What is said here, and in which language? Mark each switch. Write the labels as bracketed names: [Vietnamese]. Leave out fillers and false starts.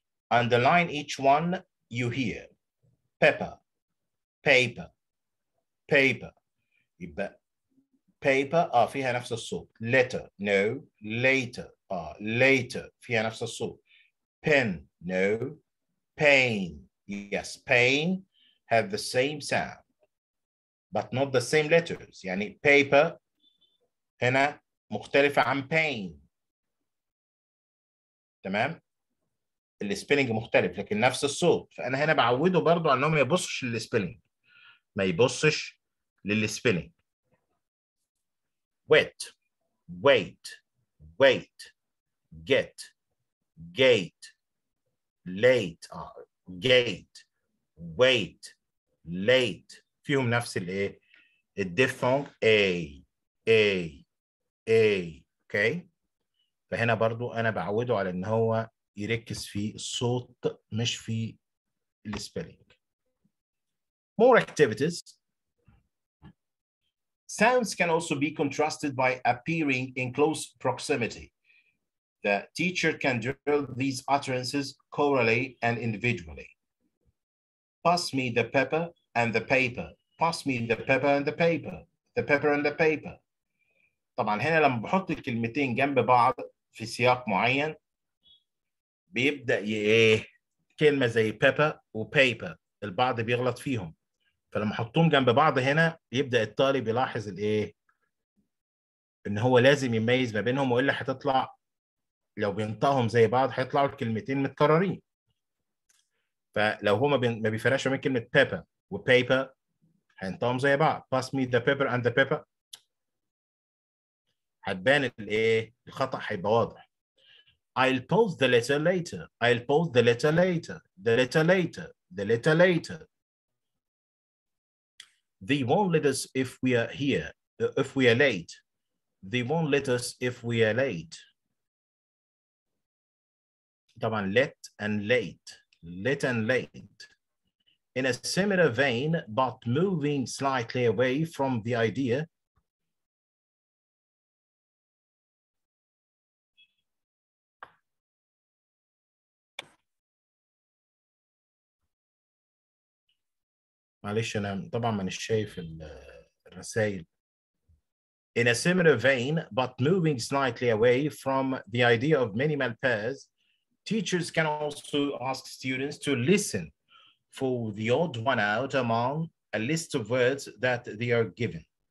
[English] Underline each one you hear. Pepper, paper, paper. [Arabic] يبقى paper فيها نفس الصوت. [English] Letter, no. Later, later [Arabic] فيها نفس الصوت. [English] Pen, no. Pain, yes. Pain have the same sound, but not the same letters. [Arabic] يعني paper هنا مختلفة عن pain. تمام؟ السبيلنج مختلف لكن نفس الصوت. فأنا هنا بعوده برضو على إنه ما يبصش للسبيلنج. ما يبصش للسبيلنج. [English] Wait, wait, wait, get, gate, late, gate, wait, late. [Arabic] فيهم نفس الـ A. [English] الديفونج A, A, A, okay. [Arabic] فهنا برضو أنا بعوده على إن هو يركز في الصوت مش في السبيلينج. [English] More activities. Sounds can also be contrasted by appearing in close proximity. The teacher can drill these utterances chorally and individually. Pass me the pepper and the paper. Pass me the pepper and the paper. The pepper and the paper. [Arabic] طبعا هنا لما بحط الكلمتين جنب بعض في سياق معين بيبدأ كلمة زي pepper و paper البعض بيغلط فيهم. فلما حطهم جنب بعض هنا يبدأ الطالب يلاحظ الايه ان هو لازم يميز ما بينهم وإلا هتطلع لو بينطقهم زي بعض هيطلعوا الكلمتين متكررين. فلو هما ما بيفرقش من كلمة pepper و paper هينطقهم زي بعض. [English] Pass me the pepper and the paper. [Arabic] هتبان الايه الخطأ هيبقى واضح. [English] I'll post the letter later. I'll post the letter later. The letter later. The letter later. They won't let us if we are here, if we are late. They won't let us if we are late. طبعا let and late, let and late. In a similar vein, but moving slightly away from the idea. [Arabic] معلش أنا طبعاً مانيش شايف الرسائل. [English] In a similar vein, but moving slightly away from the idea of minimal pairs, teachers can also ask students to listen for the odd one out among a list of words that they are given.